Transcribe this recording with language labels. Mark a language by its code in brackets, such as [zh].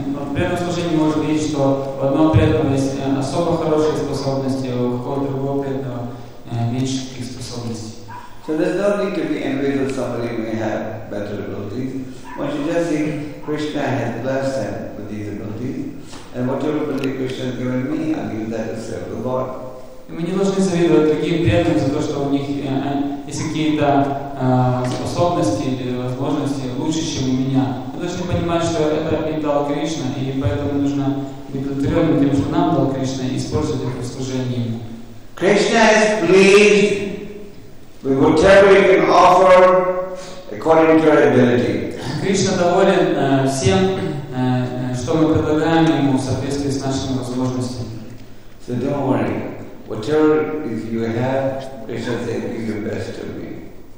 [ru] В преданном служении может видеть, что в одном преданном есть особо хорошие способности, а у какого-то другого преданного меньше таких способностей. [en] So there's no need to be envious of somebody who may have better abilities. Once you just think Krishna has blessed them with these abilities, and whatever ability Krishna has given me, I'll give that to serve the Lord. [ru] Мы не должны завидовать другим преданным за то, что у них есть какие-то способности или возможности лучше, чем у меня. Мы должны понимать, что это им дал Кришна, и поэтому нужно быть удовлетворенным тем, что нам дал Кришна, и использовать это в служении. [en] Krishna is pleased with whatever you can offer according to your ability. [ru] Кришна доволен всем, что мы предлагаем ему в соответствии с нашими возможностями. [en] So don't worry. Whatever is you have, Krishna says, give your best to me.